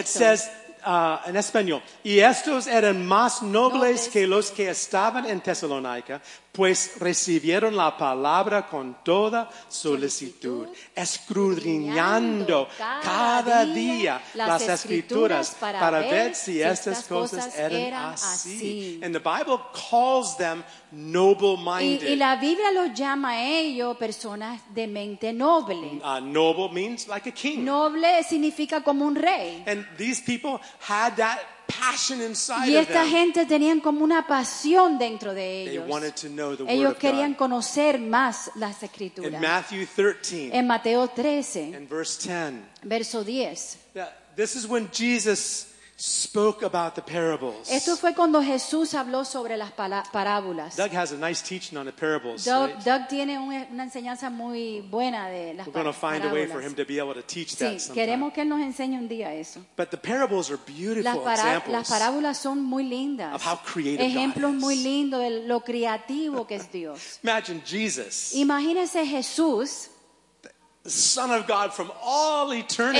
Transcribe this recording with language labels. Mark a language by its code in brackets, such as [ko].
[en] It says [es] en español, y estos eran más nobles que los que estaban en Tesalónica, pues recibieron la palabra con toda solicitud, escudriñando cada día las escrituras para ver si estas cosas eran así. [en] And the Bible calls them noble-minded. [es] Y la Biblia los llama a ellos personas de mente noble. [en] Noble means like a king. [es] Noble significa como un rey. [en] And these people had that passion inside of them. [es] Y esta gente tenían como una pasión dentro de ellos. [en] They wanted to know the [es] ellos [en] word [es] querían [en] of God. [es] Conocer más las escrituras. [en] In Matthew 13, [es] en Mateo 13, [en] in verse 10, [es] verso 10. [en] This is when Jesus spoke about the parables. [es] Esto fue cuando Jesús habló sobre las parábolas. [en] Doug has a nice teaching on the parables. [es] Doug tiene una enseñanza muy buena de las parábolas. [en] We're going to find a way for him to be able to teach that sometime. [es] Sí, queremos que él nos enseñe un día eso. [en] But the parables are beautiful examples. [es] Las parábolas son muy lindas. [en] Of how creative God is. [es] Ejemplos muy lindos de lo creativo que es Dios. [en] Imagine Jesus. [es] Imagínese Jesús. [en] The Son of God from all eternity.